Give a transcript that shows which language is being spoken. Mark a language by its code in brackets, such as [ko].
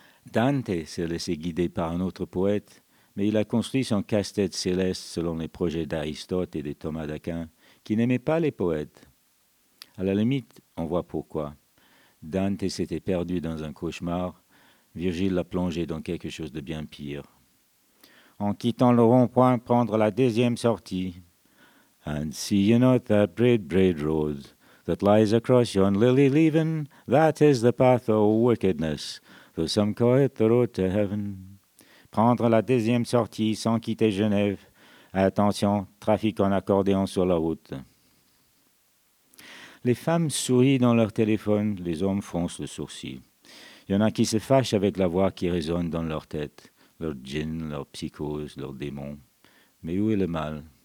[fr] Dante s'est laissé guider par un autre poète, mais il a construit son casse-tête céleste selon les projets d'Aristote et de Thomas d'Aquin, qui n'aimaient pas les poètes. À la limite, on voit pourquoi. Dante s'était perdu dans un cauchemar. Virgile l'a plongé dans quelque chose de bien pire. En quittant le rond-point, prendre la deuxième sortie. [en] And see you not that braid, braid road that lies across yon lily leaven, that is the path of wickedness, though some call it the road to heaven. [fr] Prendre la deuxième sortie sans quitter Genève. Attention, trafic en accordéon sur la route. Les femmes sourient dans leur téléphone, les hommes froncent le sourcil. Il y en a qui se fâchent avec la voix qui résonne dans leur tête, leur djinn, leur psychose, leur démon. Mais où est le mal?